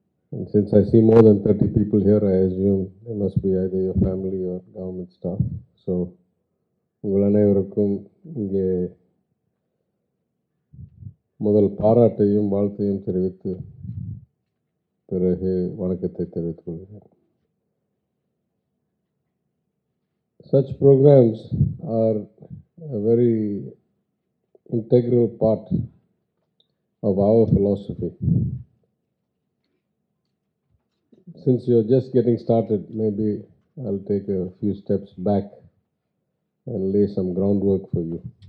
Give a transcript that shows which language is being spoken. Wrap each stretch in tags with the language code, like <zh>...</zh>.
<en>And since I see more than 30 people here, I assume they must be either your family or government staff.</en> <ta>So, உங்கள் அனைவருக்கும் இங்கே முதல் பாராட்டையும் வாழ்த்தையும் தெரிவித்து பிறகு வணக்கத்தை தெரிவித்துக் கொள்கிறேன்.</ta> <en>Such programs are a very integral part of our philosophy. Since you're just getting started, maybe I'll take a few steps back and lay some groundwork for you.</en>